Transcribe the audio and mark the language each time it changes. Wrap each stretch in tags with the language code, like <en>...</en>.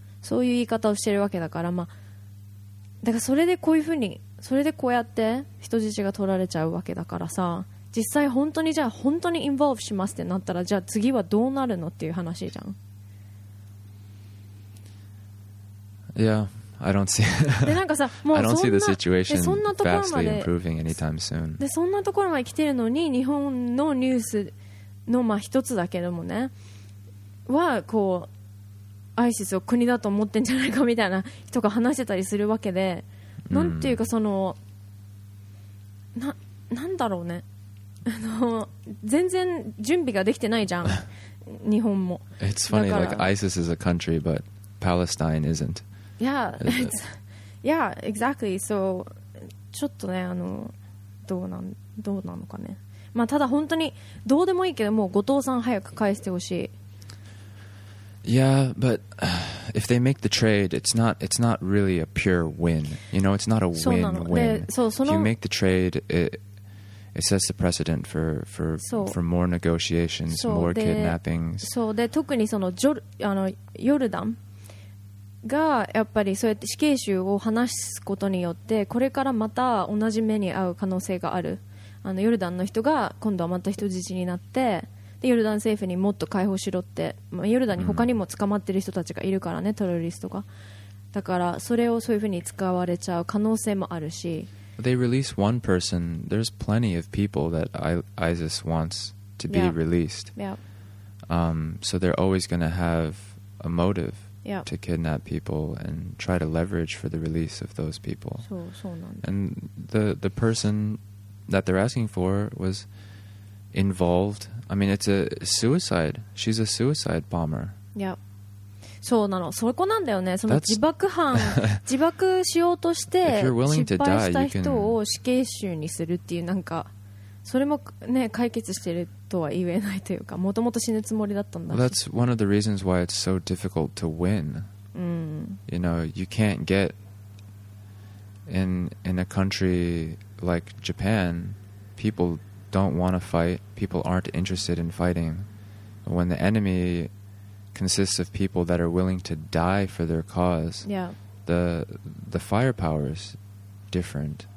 <ja>そういう言い方をしてるわけだから、まあ、だからそれでこういうふうに、それでこうやって人質が取られちゃうわけだからさ、実際本当にじゃあ本当に involve しますってなったら、じゃあ次はどうなるのっていう話じゃん。</ja> <en>Yeah. I don't see. I don't see the situation vastly improving anytime soon.</en> <ja>でそんなところまで来てるのに、日本のニュースのまあ一つだけどもね、はこうISISを国だと思ってんじゃないかみたいな人が話してたりするわけで、なんていうかその、なんだろうね、全然準備ができてないじゃん、日本も。</ja> <en>It's funny, like ISIS is a country, but Palestine isn't. Yeah, it's, yeah, exactly.</en> <ja>So, ちょっとね、どうなのかね。まあ、ただ本当にどうでもいいけど、もう後藤さん早く返してほしい。</ja> <en>Yeah, but if they make the trade, it's not really a pure win. You know, it's not a win-win.</en> <ja>そう、</ja> <en>if you make the trade, it sets the precedent for more negotiations, more kidnappings.</en> <ja>そう、で、特にそのヨルダンがやっぱりそうやって死刑囚を話すことによって、これからまた同じ目に遭う可能性がある。ヨルダンの人が今度はまた人質になって、でヨルダン政府にもっと解放しろって、まあ、ヨルダンに他にも捕まってる人たちがいるからね、うん、テロリストが。だからそれをそういうふうに使われちゃう可能性もあるし、</ja> <en>They release one person, there's plenty of people that ISIS wants to be released. So they're always going to have a motiveYeah. to kidnap people and try to leverage for the release of those people. So. And the person that they're asking for was involved. I mean, it's a suicide. She's a suicide bomber.</en> <ja>Yeah. そうなの。そこなんだよね。その自爆犯、自爆しようとして失敗した人を死刑囚にするっていう、なんかそれもね、解決してるとは言えないというか、もともと死ぬつもりだったんだし。</ja> <en>Well, that's one of the reasons why it's so difficult to win.、 Mm. You know, you can't get in a country like Japan, people don't want to fight, people aren't interested in fighting. When the enemy consists of people that are willing to die for their cause, the firepower is different.、</en>